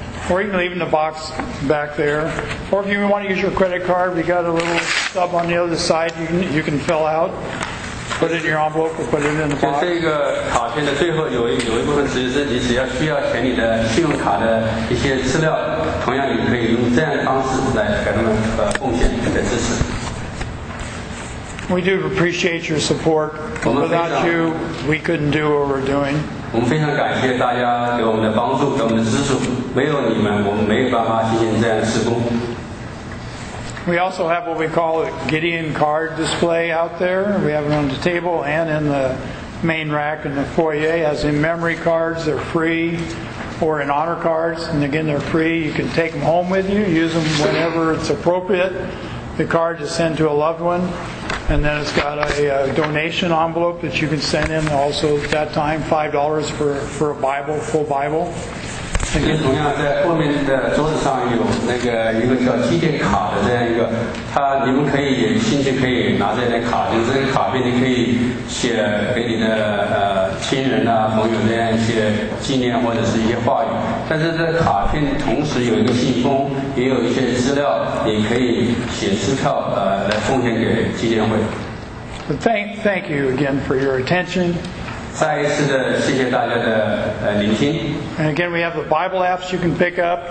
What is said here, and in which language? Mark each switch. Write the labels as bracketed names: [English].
[English] Or even leaving the box back there. Or if you want to use your credit card, we got a little stub on the other side you can fill out. Put it in your envelope or put it in the box. [Chinese] 这个卡片的最后有一部分只是你只要需要填你的信用卡的一些资料，同样你可以用这样的方式来给他们奉献的支持。 [English] We do appreciate your support. Without you, we couldn't do what we're doing. [Chinese] 我们非常感谢大家给我们的帮助，给我们的支持。没有你们，我们没有办法进行这样的施工。 [English] We also have what we call a Gideon card display out there. We have it on the table and in the main rack in the foyer. As in memory cards, they're free, or in honor cards, and again, they're free. You can take them home with you, use them whenever it's appropriate. The card is sent to a loved one, and then it's got a donation envelope that you can send in also at that time, $5 for a Bible, full Bible. [Chinese] 就是同样在后面的桌子上有那个一个叫基点卡的这样一个，它你们可以有兴趣可以拿这张卡，就是这个卡片你可以写给你的亲人啊朋友这样一些纪念或者是一些话语，但是这个卡片同时有一个信封，也有一些资料，你可以写支票来奉献给基点会。 [English] Thank you again for your attention. [Chinese] 再一次的谢谢大家的聆听。 [English] And again, we have the Bible apps you can pick up.